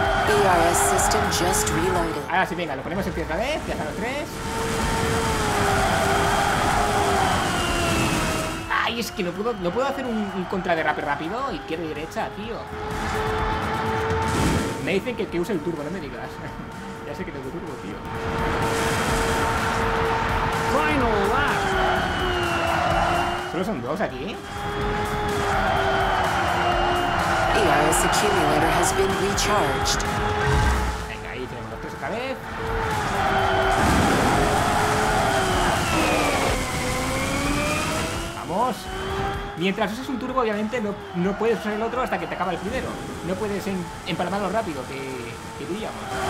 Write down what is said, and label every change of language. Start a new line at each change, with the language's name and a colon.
English: BRS system just reloaded.
Spanish: Ahora sí, venga, lo ponemos en pie otra vez. Ya están los tres. Ay, es que no puedo hacer un contraderrape rápido. Izquierda y derecha, tío. Me dicen que use el turbo, no me digas. Ya sé que tengo turbo, tío.
English: Final lap.
Spanish: ¿Solo son dos aquí?
English: ERS accumulator has been recharged.
Spanish: Venga, ahí tenemos los tres otra vez. Vamos. Mientras usas un turbo, obviamente no puedes usar el otro hasta que te acaba el primero. No puedes empalmarlo rápido, que diríamos.